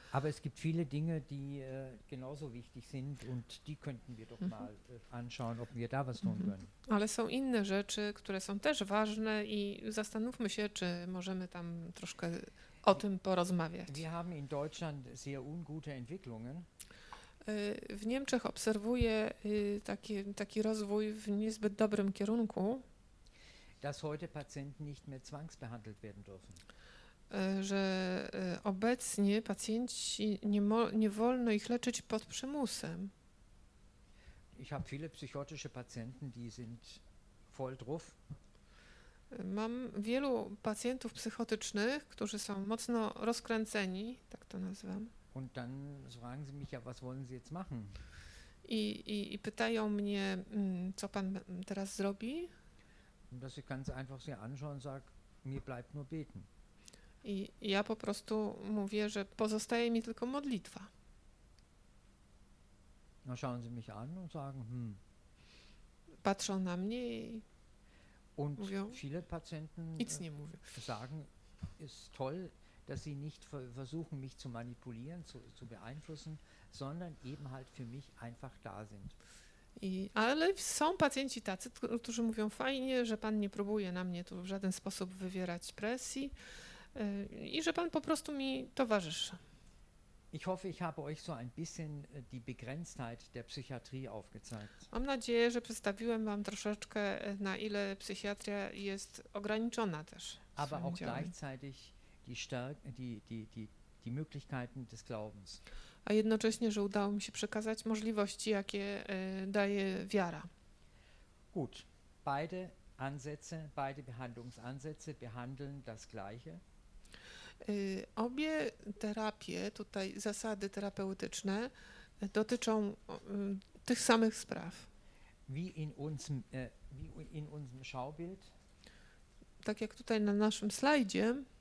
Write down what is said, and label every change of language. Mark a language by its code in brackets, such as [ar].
[de] Aber es gibt viele Dinge, die genauso wichtig sind und die könnten wir doch mal anschauen, ob wir da was tun können. [pl] Ale są inne rzeczy, które są też ważne i zastanówmy się, czy możemy tam troszkę o tym porozmawiać. [de] Wir haben in Deutschland sehr ungute Entwicklungen. [pl] W Niemczech obserwuję taki rozwój w niezbyt dobrym kierunku. [de] Dass heute Patienten nicht mehr zwangsbehandelt werden dürfen. [pl] Że obecnie pacjenci nie wolno ich leczyć pod przymusem. [de] Ich habe viele psychotische Patienten, die sind voll drauf. [pl] Mam wielu pacjentów psychotycznych, którzy są mocno rozkręceni, tak to nazywam. [de] Und dann fragen sie mich ja, was wollen sie jetzt machen? [pl] I pytają mnie, co pan teraz zrobi? [de] Und dass ich ganz einfach sie anschaue und sage, mir bleibt nur beten. [pl] I ja po prostu mówię, że pozostaje mi tylko modlitwa. [de] No, schauen Sie mich an und sagen, [pl] Patrzą na mnie i [de] und [pl] mówią, [de] viele Patienten [pl] nic nie mówię. [de] Sagen, ist toll, dass sie nicht versuchen, mich zu manipulieren, zu beeinflussen, sondern eben halt für mich einfach da sind. [pl] Ale są pacjenci tacy, którzy mówią, fajnie, że pan nie próbuje na mnie tu w żaden sposób wywierać presji, i że pan po prostu mi towarzyszy. [de] Ich hoffe, ich habe euch so ein bisschen die Begrenztheit der Psychiatrie aufgezeigt. [pl] Mam nadzieję, że przedstawiłem wam troszeczkę, na ile psychiatria jest ograniczona też. [de] Aber auch gleichzeitig die Möglichkeiten des Glaubens. [pl] A jednocześnie, że udało mi się przekazać możliwości, jakie daje wiara. [de] Gut, beide Ansätze, beide Behandlungsansätze behandeln das Gleiche. [pl] Obie terapie, tutaj zasady terapeutyczne, dotyczą tych samych spraw. [de] Wie in unserem Schaubild. [pl] Tak jak tutaj na naszym slajdzie.